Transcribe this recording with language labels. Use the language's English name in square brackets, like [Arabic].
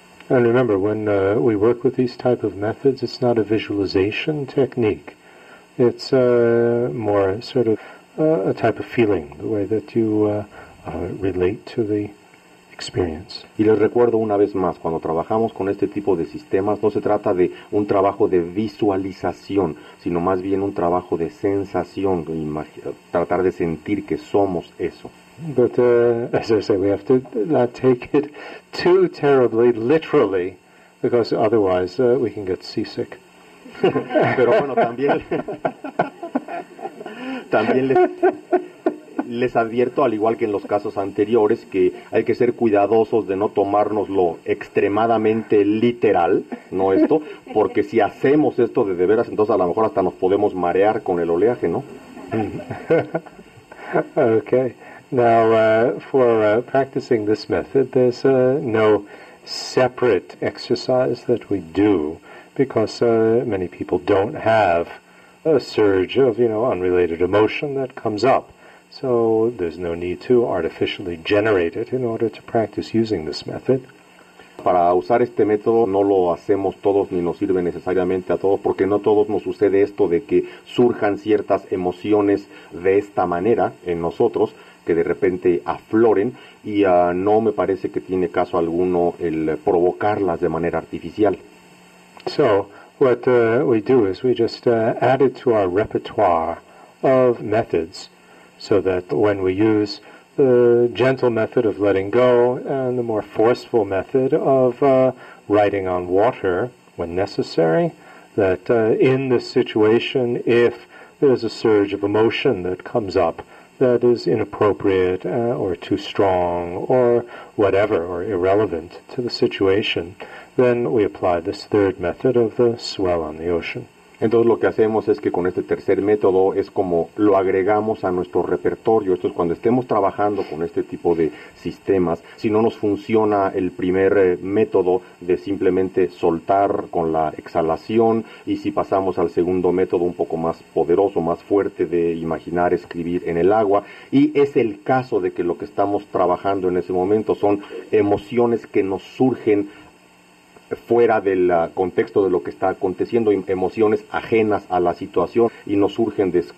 [English] And remember, when we work with these type of methods, it's not a visualization technique. It's more sort of a type of feeling, the way that you relate to the experience. [Spanish] Y les recuerdo una vez más, cuando trabajamos con este tipo de sistemas, no se trata de un trabajo de visualización, sino más bien un trabajo de sensación, tratar de sentir que somos eso. [English] But as I say, we have to not take it too terribly literally, because otherwise we can get seasick. [Spanish] Pero bueno, también les advierto, al igual que en los casos anteriores, que hay que ser cuidadosos de no tomárnoslo extremadamente literal, ¿no? Esto, porque si hacemos esto de veras, entonces a lo mejor hasta nos podemos marear con el oleaje, ¿no? [English] Okay. Now, for practicing this method, there's no separate exercise that we do, because many people don't have a surge of, you know, unrelated emotion that comes up. So there's no need to artificially generate it in order to practice using this method. [Spanish] Para usar este método no lo hacemos todos ni nos sirve necesariamente a todos porque no todos nos sucede esto de que surjan ciertas emociones de esta manera en nosotros que de repente afloren y no me parece que tiene caso alguno el provocarlas de manera artificial. [English] So what we do is we just add it to our repertoire of methods. So that when we use the gentle method of letting go and the more forceful method of writing on water when necessary, that in this situation, if there's a surge of emotion that comes up that is inappropriate or too strong or whatever, or irrelevant to the situation, then we apply this third method of the swell on the ocean. [Spanish] Entonces lo que hacemos es que con este tercer método es como lo agregamos a nuestro repertorio. Esto es cuando estemos trabajando con este tipo de sistemas. Si no nos funciona el primer método de simplemente soltar con la exhalación, y si pasamos al segundo método un poco más poderoso, más fuerte, de imaginar escribir en el agua, y es el caso de que lo que estamos trabajando en ese momento son emociones que nos surgen fuera del contexto de lo que está aconteciendo, emociones ajenas a la situación y nos surgen